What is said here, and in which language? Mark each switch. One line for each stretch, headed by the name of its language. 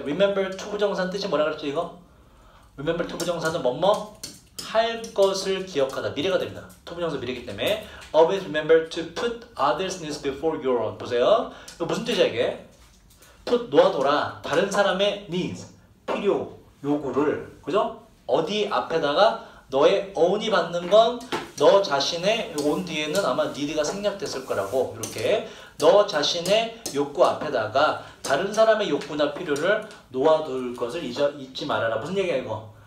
English: Remember to
Korean: 부정사 뜻이 뭐라 그랬죠 이거? Remember to 부정사는 뭐뭐? 할 것을 기억하다. 미래가 됩니다. 투부정사 미래이기 때문에
English: Always remember to put others' needs before your own.
Korean: 보세요. 이거 무슨 뜻이야 이게? Put 놓아둬라. 다른 사람의 needs, 필요, 요구를 그죠? 어디 앞에다가 너의 own이 받는 건 너 자신의 own 뒤에는 아마 need가 생략됐을 거라고 이렇게 너 자신의 욕구 앞에다가 다른 사람의 욕구나 필요를 놓아둘 것을 잊지 말아라. 무슨 얘기야 이거?